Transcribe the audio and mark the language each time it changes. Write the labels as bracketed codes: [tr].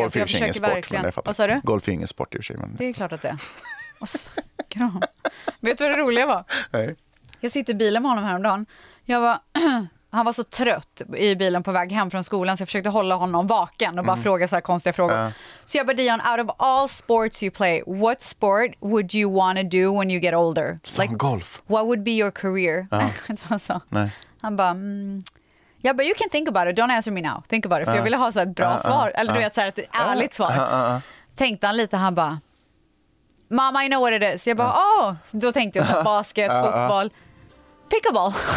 [sv] Golf är ju ingen sport, men det fattar. Vad sa du? Golf är ingen sport i och för sig, men det är klart att det är. Och snackar om. Vet du vad det roliga var? Nej. Jag sitter i bilen med honom häromdagen. Jag var... Han var så trött i bilen på väg hem från skolan så jag försökte hålla honom vaken och bara fråga så här konstiga frågor. Så jag bara, [en] Dion, out of all sports you play, what sport would you want to do when you get older? Like, golf. What would be your career? [sv] Nej. Han bara, [en] yeah, but you can think about it. Don't answer me now. Think about it. [sv] För jag ville ha så ett bra svar. Eller du vet, så här, ett ärligt svar. Tänkte han lite, han bara, [en] Mama, I know what it is. [sv] Jag bara, oh! Så då tänkte jag, basket, fotboll, pickleball.